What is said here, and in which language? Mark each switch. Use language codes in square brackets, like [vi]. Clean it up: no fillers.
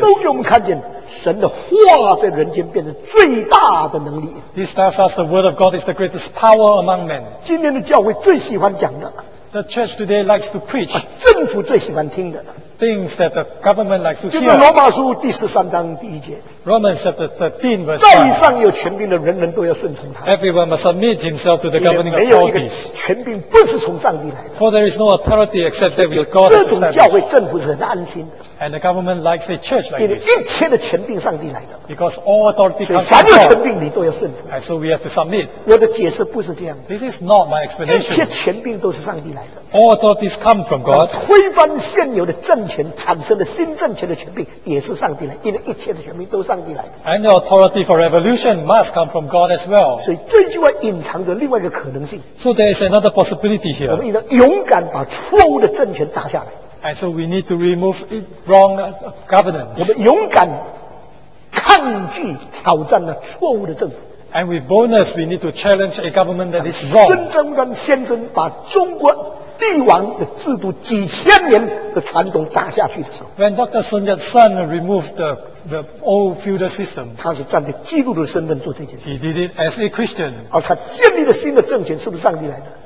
[zh] 都给我们看见神的话在人间变成最大的能力。 [en] This tells us the word of God is the greatest power among men. [zh] 今天的教会最喜欢讲的。 [en] The church today likes to preach. [zh] 政府最喜欢听的。 [en] Things that the government likes to hear. [zh] 就是罗马书第十三章第一节。 [en] Romans chapter 13 verse [zh] 5. 在上有权柄的人人都要顺从他。 [en] Everyone must submit himself to the governing authorities. [zh] 没有一个权柄不是从上帝来的。 [en] For there is no authority except that which God established. [zh] 这种教会政府是很安心的。 [en] And the government likes a church like this. [zh] 一切的权柄上帝来的。 [en] Because all authority comes from God. [zh] 所以凡有权柄你都要顺服。 [en] And so we have to submit. [zh] 我的解释不是这样。 [en] This is not my explanation. [zh] 一切权柄都是上帝来的。 [en] All authorities come from God. [zh] 推翻现有的政权产生的新政权的权柄也是上帝来的。因为一切的权柄都是上帝来的。 [en] And the authority for revolution must come from God as well. [zh] 所以这句话隐藏着另外一个可能性。 [en] So there is another possibility here. [zh] 我们应当勇敢把错误的政权打下来。 [en] And so we need to remove wrong governance. [zh] 我们勇敢抗拒挑战了错误的政府。 [en] And with boldness, we need to challenge a government that is wrong. [zh] 孙中山先生把中国帝王的制度几千年的传统打下去的时候 [en] ，When Dr. Sun Yat-sen removed the old feudal system, [zh] 他是站在基督的身份做这件事。 [en] He did it as a Christian. [zh] 而他建立了新的政权，是不是上帝来的？